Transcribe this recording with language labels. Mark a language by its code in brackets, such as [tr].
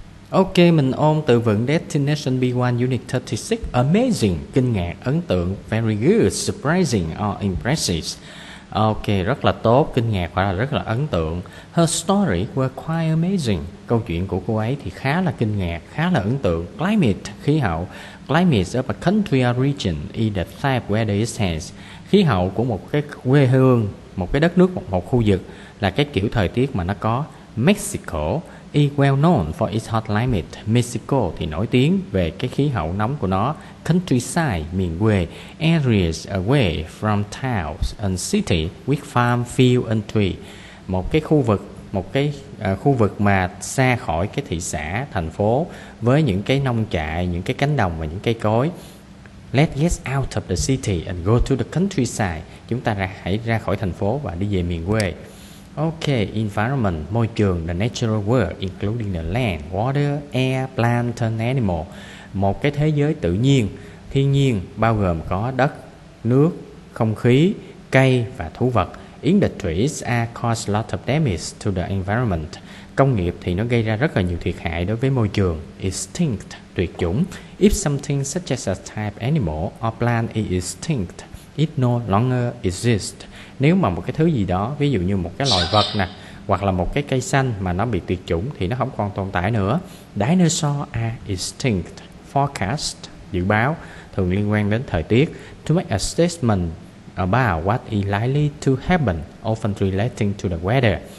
[vi] Ok, mình ôn từ vựng Destination B1 Unit 36. [en] Amazing, [vi] kinh ngạc, ấn tượng. [en] Very good, surprising or impressive. [vi] Ok, rất là tốt, kinh ngạc hoặc là rất là ấn tượng. [en] Her story were quite amazing. [vi] Câu chuyện của cô ấy thì khá là kinh ngạc, khá là ấn tượng. Climate, khí hậu. [en] Climate of a country or region is the type where there is sense. [vi] Khí hậu của một cái quê hương, một cái đất nước, một khu vực là cái kiểu thời tiết mà nó có. [en] Mexico is well known for its hot climate. [vi] Mexico thì nổi tiếng về cái khí hậu nóng của nó. Countryside, miền quê. [en] Areas away from towns and city with farm, field and tree. [vi] Một cái khu vực, một cái khu vực mà xa khỏi cái thị xã, thành phố, với những cái nông trại, những cái cánh đồng và những cây cối. [en] Let's get out of the city and go to the countryside. [vi] Chúng ta hãy ra khỏi thành phố và đi về miền quê. [en] Ok, environment, [vi] môi trường, [en] the natural world, including the land, water, air, plant, and animal. [vi] Một cái thế giới tự nhiên, thiên nhiên, bao gồm có đất, nước, không khí, cây và thú vật. [en] Industries are cause lot of damage to the environment. [vi] Công nghiệp thì nó gây ra rất là nhiều thiệt hại đối với môi trường. Extinct, tuyệt chủng. [en] If something such as a type animal or plant is extinct, it no longer exists. [vi] Nếu mà một cái thứ gì đó, ví dụ như một cái loài vật nè, hoặc là một cái cây xanh mà nó bị tuyệt chủng thì nó không còn tồn tại nữa. [en] Dinosaur are extinct. [vi] Forecast, dự báo, thường liên quan đến thời tiết. [en] To make a statement about what is likely to happen, often relating to the weather.